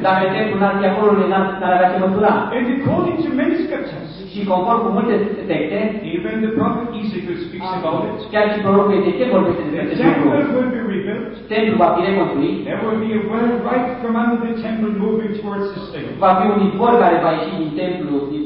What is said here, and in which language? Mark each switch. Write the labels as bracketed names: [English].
[Romanian] Dacă templul n-ar fi acolo, n-ar avea ce mătura. [English] And according to many scriptures. [Romanian] Și conform cu multe texte. [English] Even the prophet Ezekiel speaks about it. [Romanian] Chiar și prorocul Ezekiel vorbește despre acest lucru. [English] The temple will be rebuilt. [Romanian] Templul va fi reconstruit. [English] There will be a well right from under the temple moving towards the state. [Romanian] Va fi un izvor care va ieși din templu.